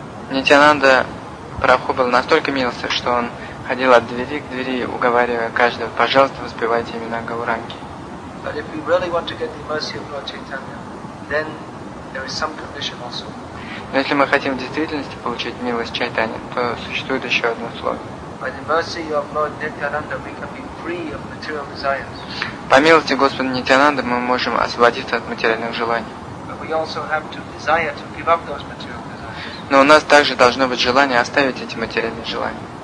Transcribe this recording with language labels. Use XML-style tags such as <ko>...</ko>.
<ru>Нитьянанда Прабху был настолько милостив, что он ходил от двери к двери, уговаривая каждого, пожалуйста, воспевайте имена Гауранги.</ru> <en>But if we really want to get the mercy of Lord Chaitanya, then there is some condition also.</en> <ru>Но если мы хотим в действительности получить милость Чайтани, то существует еще одно условие.</ru> <en>By the mercy of Lord Nityananda, we can be free of material desires.</en> <ru>По милости Господа Нитьянанды мы можем освободиться от материальных желаний.</ru> <en>But we also have to desire to give up those material desires.</en> <ru>Но у нас также должно быть желание оставить эти материальные желания.</ru>